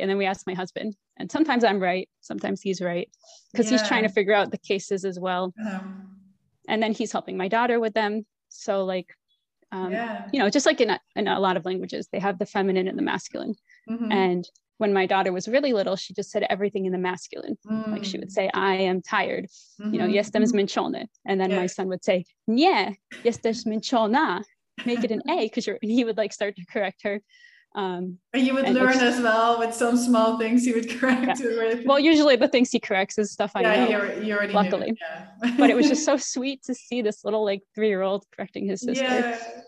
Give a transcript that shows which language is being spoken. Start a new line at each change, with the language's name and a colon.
English: And then we ask my husband, and sometimes I'm right, sometimes he's right, because he's trying to figure out the cases as well. And then he's helping my daughter with them, so like you know, just like in a lot of languages, they have the feminine and the masculine. Mm-hmm. And when my daughter was really little, she just said everything in the masculine. Mm. Like she would say, I am tired, mm-hmm. you know,
Polish: jestem zmęczony.
English: And then my son would say,
Polish: nie, jesteś zmęczona.
English: Make it an A, because he would like start to correct her. And you would learn as well with some small things he would correct. Yeah. Well, usually the things he corrects is stuff I know. Yeah, you already luckily. Knew. Yeah. But it was just so sweet to see this little like 3-year-old correcting his sister. Yeah.